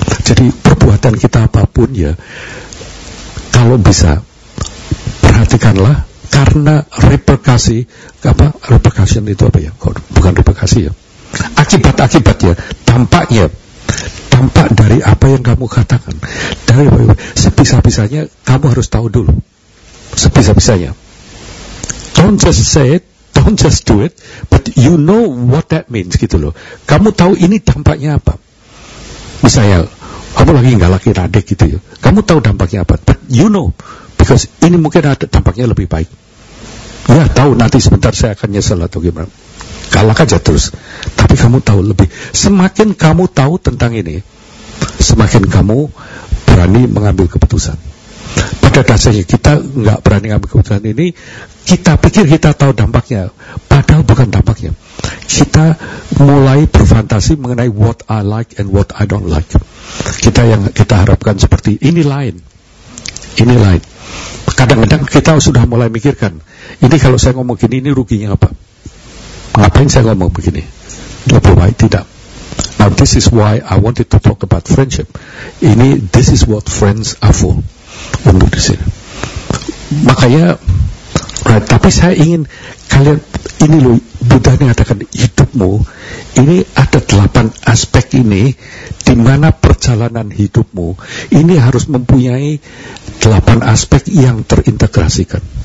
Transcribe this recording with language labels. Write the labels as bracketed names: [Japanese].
[Indonesian] Jadi perbuatan kita apapun ya, kalau bisa perhatikanlah karena repercussi apa repercussion itu apa ya? Bukan repercussi ya. Akibat ya, dampaknya. Dampak dari apa yang kamu katakan, dari sebisa-bisanya kamu harus tahu dulu, sebisa-bisanya. [English] Don't just say it, don't just do it, but you know what that means [Indonesian] gitu loh. Kamu tahu ini dampaknya apa? Misalnya kamu lagi ngalahin adik gitu ya, kamu tahu dampaknya apa? [English] But you know, because [Indonesian] ini mungkin ada dampaknya lebih baik. Ya tahu nanti sebentar saya akan nyesel atau gimana. Kalah aja terus. Tapi kamu tahu lebih. Semakin kamu tahu tentang ini, semakin kamu berani mengambil keputusan. Pada dasarnya kita gak berani ngambil keputusan ini, kita pikir kita tahu dampaknya. Padahal bukan dampaknya. Kita mulai berfantasi mengenai [English] what I like and what I don't like. [Indonesian] Kita yang kita harapkan seperti ini lain. Ini lain. Kadang-kadang kita sudah mulai mikirkan, ini kalau saya ngomong gini, ini ruginya apa? Ngapain saya ngomong begini? Lebih baik tidak. [English] Now this is why I wanted to talk about friendship. [Indonesian] Ini, [English] this is what friends are for. [Indonesian] Untuk di sini. Makanya, right, tapi saya ingin kalian, ini loh, Buddha mengatakan hidupmu, ini ada 8 aspek ini, di mana perjalanan hidupmu, ini harus mempunyai 8 aspek yang terintegrasikan.